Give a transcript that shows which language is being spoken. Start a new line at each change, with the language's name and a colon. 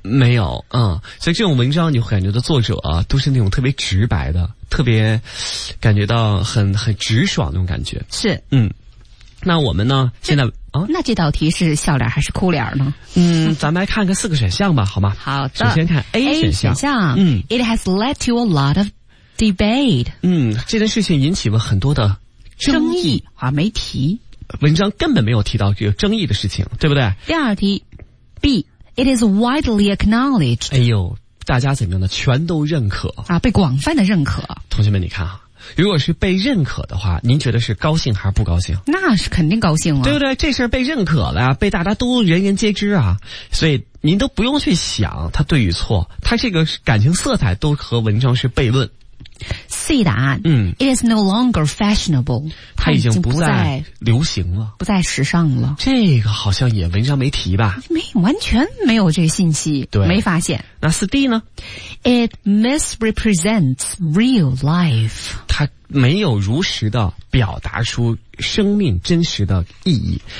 Chinese: 没有，嗯，所以这种文章，你会感觉到作者啊，都是那种特别直白的，特别感觉到很直爽那种感觉。是，嗯，那我们呢？现在。那这道题是笑脸还是哭脸呢？嗯，咱们来看看四个选项吧，好吗？好的。首先看 A 选项。
English: It has led to a lot of debate。
Chinese: 嗯，这件事情引起了很多的争议啊，没提。文章根本没有提到这个争议的事情，对不对？第二题
English: ，B， it is widely acknowledged。
Chinese: 哎呦，大家怎么样呢？全都认可啊，被广泛的认可。同学们，你看啊。如果是被认可的话，您觉得是高兴还是不高兴？那是肯定高兴啊，对不对？这事儿被认可了，被大家都人人皆知啊，所以您都不用去想它对与错，它这个感情色彩都和文章是悖论。
English: C 答案，It is no longer fashionable，
Chinese: 它已经不再流行了，不再时尚了。这个好像也文章没提吧？没，完全没有这个信息，对，没发现。那4 D 呢
English: ？It misrepresents real life，
Chinese: 它没有如实的表达出生命真实的意义。